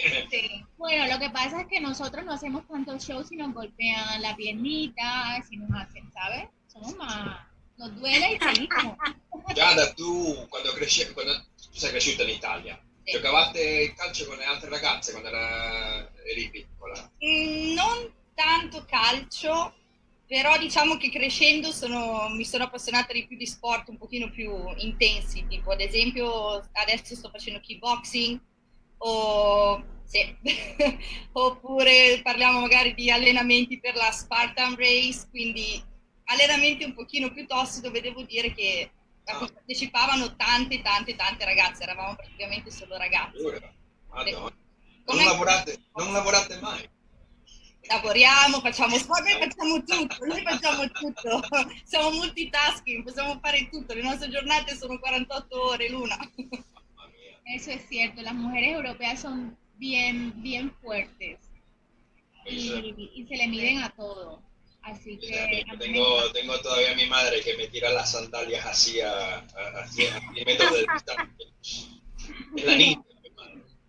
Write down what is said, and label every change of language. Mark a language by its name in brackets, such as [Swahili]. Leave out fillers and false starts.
[Spanish] Sí. Bueno, lo que pasa es que nosotros no hacemos tantos shows si nos golpean la piernita, si nos hacen, ¿sabes? Somos más... Nos duele y seguimos. Giada, tú cuando creciste, cuando creciste en Italia, sí. [Italian] ¿Giocavate calcio con le altre ragazze [Spanish] cuando [Italian] eri piccola? Non tanto calcio, però diciamo che crescendo mi sono appassionata di più di sport un pochino più intensi, tipo ad esempio adesso sto facendo kickboxing o sì. Oppure parliamo magari di allenamenti per la Spartan Race, quindi allenamenti un pochino più tosti, dove devo dire che partecipavano tante ragazze, eravamo praticamente solo ragazze. Non lavorate mai? Lavoriamo, facciamo sport, noi facciamo tutto, siamo multitasking, possiamo fare tutto, le nostre giornate sono 48 ore l'una. Mamma mia. [Spanish] Eso es cierto, las mujeres europeas son bien, bien fuertes y se le miden a todo. Así que tengo todavía a mi madre que me tira las sandalias así, y me toca distancia. Es la niña, mi madre.